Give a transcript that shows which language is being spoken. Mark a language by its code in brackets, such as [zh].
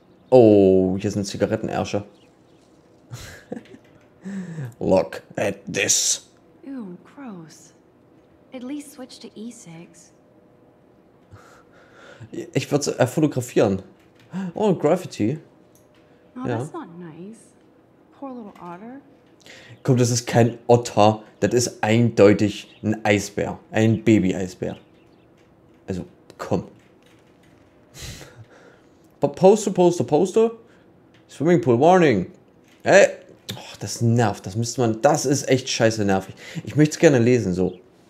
[de] Oh, hier sind Zigarettenärsche. [en] Look at this. Ew, gross. At least switch to E6. [de] Ich würde es fotografieren. Oh, Graffiti. Oh, ja. [en] That's not nice. Poor little otter. [de] Komm, das ist kein Otter. Das ist eindeutig ein Eisbär. Ein Baby-Eisbär. Also, komm. Poster. [en] Swimmingpool warning. [de] Hey. Och, das nervt. Das müsste man. Das ist echt scheiße nervig. Ich möchte es gerne lesen, so.